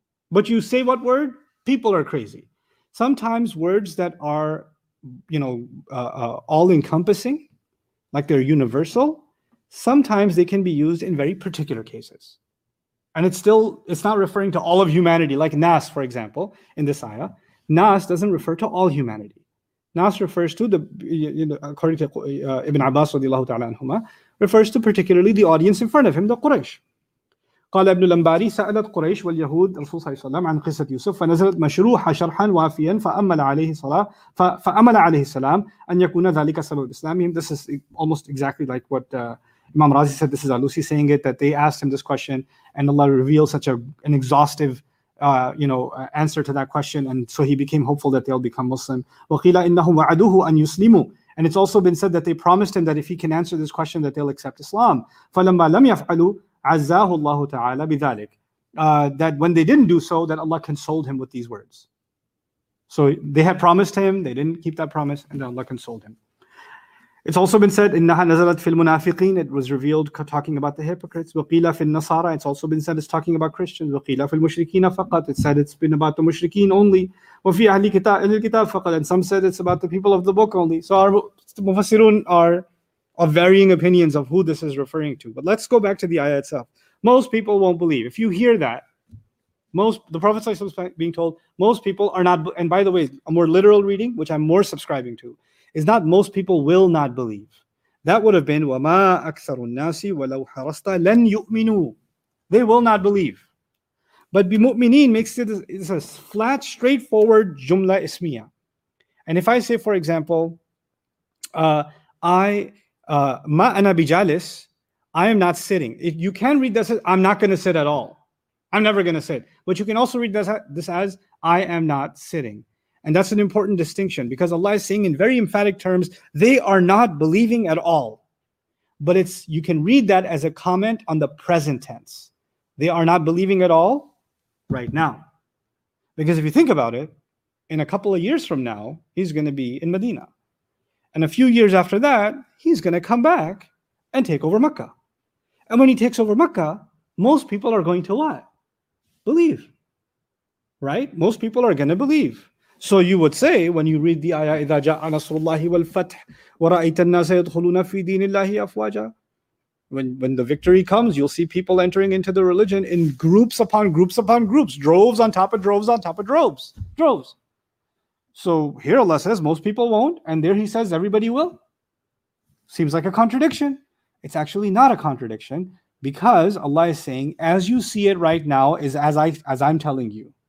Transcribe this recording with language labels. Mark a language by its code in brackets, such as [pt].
[en] But you say what word? People are crazy. Sometimes words that are, you know, all-encompassing, like they're universal, sometimes they can be used in very particular cases. And it's not referring to all of humanity, like Nas, for example, in this ayah. Nas doesn't refer to all humanity. Nas refers to according to Ibn Abbas radiallahu ta'ala anhuma, refers to particularly the audience in front of him, the Quraysh. [ar] قال ابن الأنباري سألت قريش واليهود الرسول صلى الله عليه وسلم عن قصة يوسف فنزلت مشروحة شرحا وافيا فأمل عليه السلام أن يكون ذلك سبب إسلامهم. [en] This is almost exactly like what Imam Razi said. This is Alusi saying it, that they asked him this question and Allah revealed such an exhaustive answer to that question, and so he became hopeful that they'll become Muslim. [ar] وقيل إنهم وعدوه أن يسلموا. [en] And it's also been said that they promised him that if he can answer this question that they'll accept Islam. [ar] فلما لم يفعلوا عزاه الله تعالى بذلك. [en] That when they didn't do so, that Allah consoled him with these words. So they had promised him, they didn't keep that promise, and then Allah consoled him. It's also been said, [ar] إنها نزلت في المنافقين. [en] It was revealed talking about the hypocrites. [ar] وقيل في النصارى. [en] It's also been said it's talking about Christians. [ar] وقيل في المشركين فقط. [en] It said it's been about the مشركين only. [ar] وفي أهل الكتاب فقط. [en] And some said it's about the people of the book only. So our مفسرون are of varying opinions of who this is referring to. But let's go back to the ayah itself. Most people won't believe. If you hear that, the Prophet ﷺ is being told, most people are not, and by the way, a more literal reading, which I'm more subscribing to, is not most people will not believe. That would have been, [ar] وَمَا أَكْثَرُ النَّاسِ وَلَوْ حَرَصْتَ لَنْ يُؤْمِنُوا. [en] They will not believe. But بِمُؤْمِنِينَ makes it, it's a flat, straightforward jumla ismiya. And if I say, for example, [ar] ma ana bijalis, [en] I am not sitting. You can read this as, I'm not going to sit at all. I'm never going to sit. But you can also read this as, I am not sitting. And that's an important distinction, because Allah is saying in very emphatic terms, they are not believing at all. But you can read that as a comment on the present tense. They are not believing at all right now. Because if you think about it, in a couple of years from now, he's going to be in Medina. And a few years after that, he's going to come back and take over Mecca. And when he takes over Mecca, most people are going to what? Believe. Right? Most people are going to believe. So you would say, when you read the ayah, [ar] إِذَا جَاءَ نَصْرُ اللَّهِ وَالْفَتْحِ وَرَأَيْتَ النَّاسَ يَدْخُلُونَ فِي دِينِ اللَّهِ أَفْوَاجًا. [en] When the victory comes, you'll see people entering into the religion in groups upon groups upon groups, droves on top of droves on top of droves. Droves. So here Allah says most people won't, and there He says everybody will. Seems like a contradiction. It's actually not a contradiction, because Allah is saying, as you see it right now, is as I'm telling you.